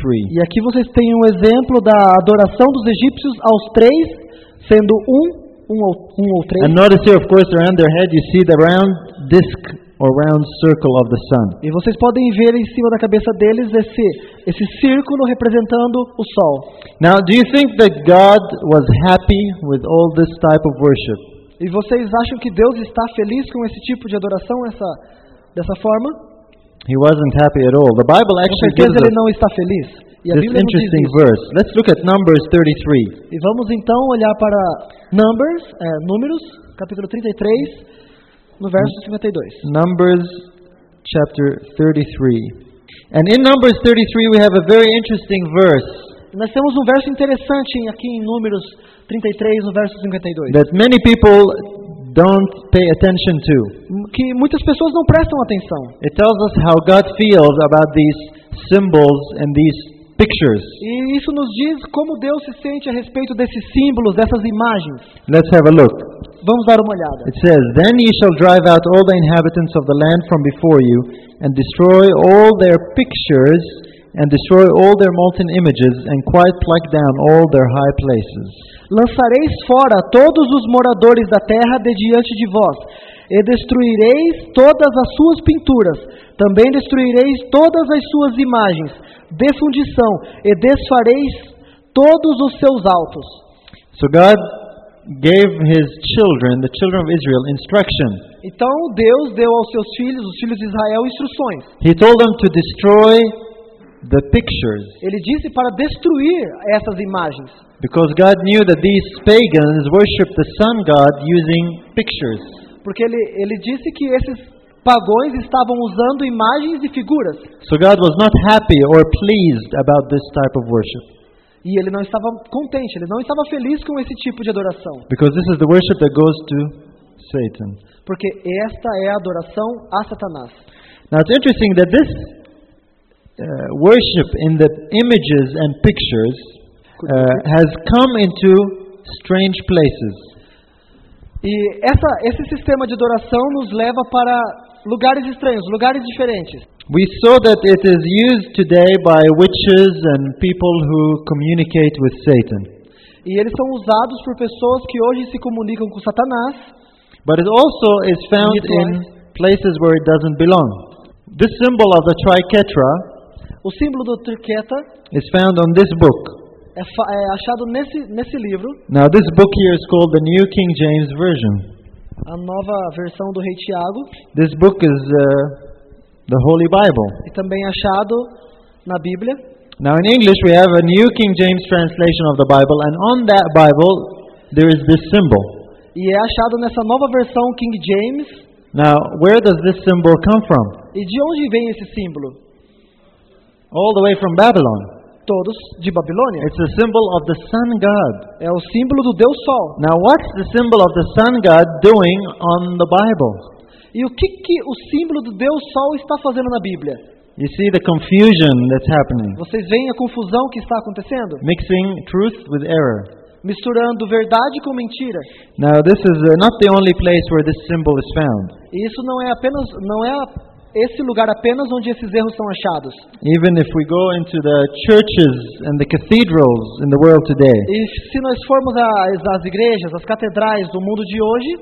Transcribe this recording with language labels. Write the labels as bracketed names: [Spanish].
[Portuguese] E aqui vocês têm um exemplo da adoração dos egípcios aos três, sendo um ou três. [English] And notice here, of course, around their head, you see the round disc or round circle of the sun. [Portuguese] E vocês podem ver em cima da cabeça deles esse círculo representando o sol. [English] Now, do you think that God was happy with all this type of worship? [Portuguese] E vocês acham que Deus está feliz com esse tipo de adoração, dessa forma? [English] He wasn't happy at all. The Bible actually gives [Portuguese] ele não está feliz. [English] This interesting verse. Let's look at Numbers 33. [Portuguese] E vamos então olhar para Números, capítulo 33, no verso 52. [English] Numbers chapter 33. And in Numbers 33 we have a very interesting verse. [Portuguese] Nós temos um verso interessante aqui em Números 33, no verso 52. [English] That many people don't pay attention to. [Portuguese] Que muitas pessoas não prestam atenção. [English] It tells us how God feels about these symbols and these pictures. [Portuguese] E isso nos diz como Deus se sente a respeito desses símbolos, dessas imagens. [English] Let's have a look. [Portuguese] Vamos dar uma olhada. [English] It says, "Then ye shall drive out all the inhabitants of the land from before you, and destroy all their pictures, and destroy all their molten images, and quite pluck down all their high places." [Portuguese] Lançareis fora todos os moradores da terra de diante de vós, e destruireis todas as suas pinturas, também destruireis todas as suas imagens de fundição, e desfareis todos os seus altos. [English] So God gave his children, the children of Israel, instruction. [Portuguese] Então Deus deu aos seus filhos, os filhos de Israel, instruções. [English] He told them to destroy the pictures. [Portuguese] Ele disse para destruir essas imagens. [English] Because God knew that these pagans worshiped the sun god using pictures. [Portuguese] Porque ele disse que esses pagões estavam usando imagens e figuras. [English] So God was not happy or pleased about this type of worship. [Portuguese] E ele não estava contente, ele não estava feliz com esse tipo de adoração. [English] Because this is the worship that goes to Satan. [Portuguese] Porque esta é a adoração a Satanás. [English] Now it's interesting that this worship in the images and pictures has come into strange places. [Portuguese] E esse sistema de adoração nos leva para lugares estranhos, lugares diferentes. [English] We saw that it is used today by witches and people who communicate with Satan. [Portuguese] E eles são usados por pessoas que hoje se comunicam com Satanás. [English] But it also is found in places where it doesn't belong. This symbol of the triquetra, [Portuguese] o símbolo do triqueta, [English] is found on this book. [Portuguese] É achado nesse livro. [English] Now this book here is called the New King James Version. [Portuguese] a nova versão do Rei Tiago. [English] This book is the Holy Bible. [Portuguese] E também achado na Bíblia. [English] Now in English we have a New King James translation of the Bible, and on that Bible there is this symbol. [Portuguese] E é achado nessa nova versão King James. [English] Now, where does this symbol come from? [Portuguese] E de onde vem esse símbolo? [English] All the way from Babylon. [Portuguese] Todos de Babilônia. [English] It's a symbol of the sun god. [Portuguese] É o símbolo do Deus Sol. [English] Now, what's the symbol of the sun god doing on the Bible? [Portuguese] E o que o símbolo do Deus Sol está fazendo na Bíblia? [English] You see the confusion that's happening. [Portuguese] Vocês veem a confusão que está acontecendo? [English] Mixing truth with error. [Portuguese] Misturando verdade com mentira. [English] Now, this is not the only place where this symbol is found. [Portuguese] Isso não é apenas esse lugar apenas onde esses erros são achados. [English] Even if we go into the churches and the cathedrals in the world today. [Portuguese] E se nós formos às igrejas, às catedrais do mundo de hoje.